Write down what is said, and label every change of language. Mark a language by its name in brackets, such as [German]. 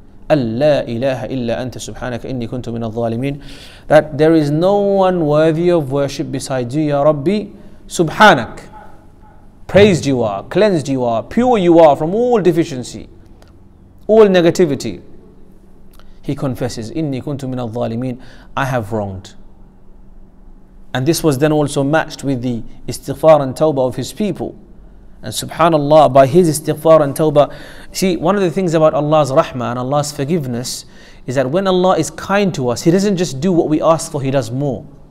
[Arabic] أَلَّا إِلَهَ إِلَّا أَنْتَ سُبْحَانَكَ إِنِّي كُنْتُ مِنَ الظَّالِمِينَ. [English] That there is no one worthy of worship besides you, Ya Rabbi. Subhanak. Praised you are, cleansed you are, pure you are from all deficiency, all negativity. He confesses, [Arabic] إِنِّي كُنْتُ مِنَ الظَّالِمِينَ. [English] I have wronged. And this was then also matched with the istighfar and tawbah of his people. And subhanallah, by his istighfar and tawbah, see, one of the things about Allah's rahmah and Allah's forgiveness is that when Allah is kind to us, he doesn't just do what we ask for, he does more.